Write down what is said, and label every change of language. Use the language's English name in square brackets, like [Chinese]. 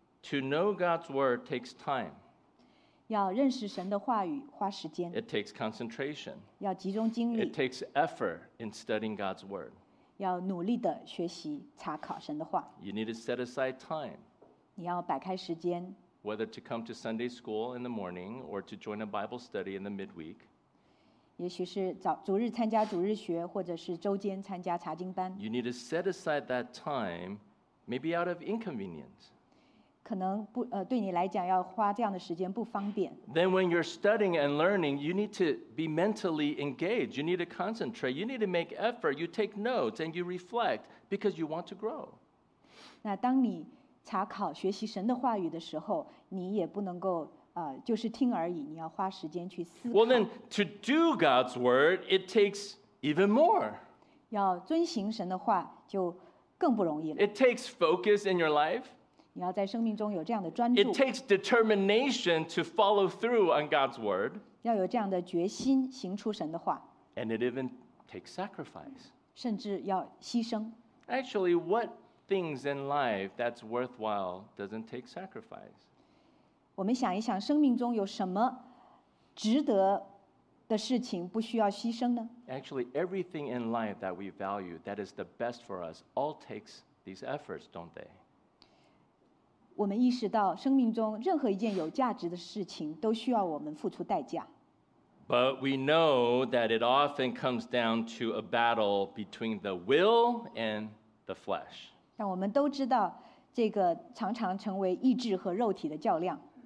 [English] To know God's word takes time. [Chinese] 要认识神的话语花时间。 [English] It takes concentration. [Chinese] 要集中精力。 [English] It takes effort in studying God's word. [Chinese] 要努力地学习查考神的话。 [English] You need to set aside time. [Chinese] 你要摆开时间。 [English] Whether to come to Sunday school in the morning or to join a Bible study in the midweek. [Chinese] 也许是早主日参加主日学，或者是周间参加查经班。 [English] You need to set aside that time, maybe out of inconvenience. [Chinese] 可能不对你来讲要花这样的时间不方便。 [English] Then when you're studying and learning, you need to be mentally engaged. You need to concentrate. You need to make effort. You take notes and you reflect because you want to grow. [Chinese] 那当你查考学习神的话语的时候，你也不能够就是听而已，你要花时间去思考。 [English] Well, then to do God's word, it takes even more. [Chinese] 要遵行神的话就更不容易了。 [English] It takes focus in your life. [Chinese] 你要在生命中有这样的专注。 [English] It takes determination to follow through on God's word. [Chinese] 要有这样的决心行出神的话。 [English] And it even takes sacrifice. [Chinese] 甚至要牺牲。 [English] Actually, what things in life that's worthwhile doesn't take sacrifice? [Chinese] 我们想一想，生命中有什么值得的事情不需要牺牲呢？ [English] Actually, everything in life that we value that is the best for us all takes these efforts, don't they? [Chinese] 我们意识到生命中任何一件有价值的事情都需要我们付出代价。 [English] But we know that it often comes down to a battle between the will and the flesh. [Chinese] 但我们都知道这个常常成为意志和肉体的较量。